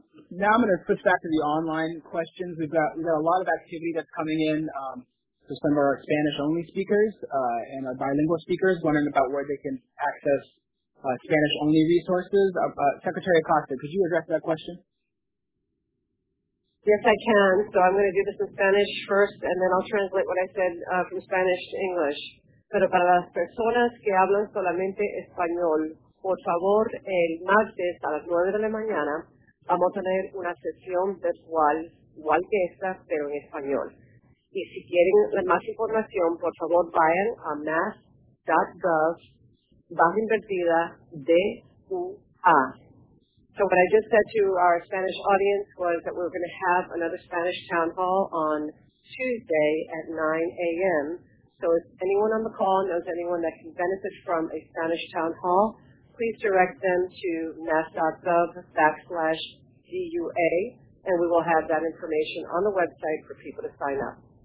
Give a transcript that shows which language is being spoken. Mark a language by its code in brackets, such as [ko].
[en] Now I'm going to switch back to the online questions. We've got a lot of activity that's coming in for some of our Spanish-only speakers and our bilingual speakers wondering about where they can access Spanish-only resources. Secretary Acosta, could you address that question? Yes, I can. So I'm going to do this in Spanish first, and then I'll translate what I said from Spanish to English. [es] Pero para las personas que hablan solamente español, por favor, el martes a las 9 de la mañana vamos a tener una sesión virtual, igual que esta, pero en español. Y si quieren más información, por favor, vayan a mass.gov/DUA. [en] So what I just said to our Spanish audience was that we're going to have another Spanish town hall on Tuesday at 9 a.m. So if anyone on the call knows anyone that can benefit from a Spanish town hall, please direct them to mass.gov/DUA, and we will have that information on the website for people to sign up.